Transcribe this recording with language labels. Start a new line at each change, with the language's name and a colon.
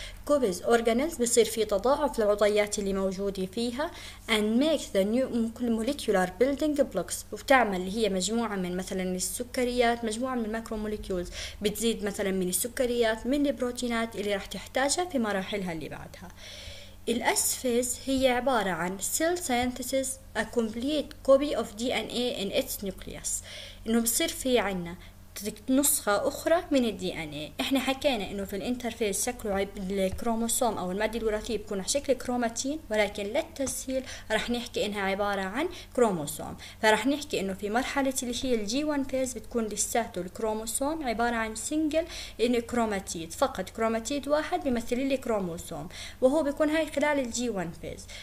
Arabic: كوبز organelles بيصير في تضاعف للعضيات اللي موجودة فيها،
English: and make the new molecular building blocks
Arabic: وتعمل اللي هي مجموعة من مثلا السكريات، مجموعة من الماكرومولكيولز بتزيد مثلا من السكريات من البروتينات اللي راح تحتاجها في مراحلها اللي بعدها. الS phase هي عبارة عن
English: cell synthesis a complete copy of DNA in its nucleus،
Arabic: انه بصير في عنا نسخة أخرى من DNA. إحنا حكينا إنه في الانترفيز شكله الكروموسوم أو المادة الوراثية بيكون على شكل كروماتين، ولكن للتسهيل رح نحكي إنها عبارة عن كروموسوم، فرح نحكي إنه في مرحلة اللي هي G1 فيز بتكون لساته الكروموسوم عبارة عن سينجل إنه كروماتيد، فقط كروماتيد واحد بيمثل الكروموسوم وهو بيكون هاي خلال G1 فيز.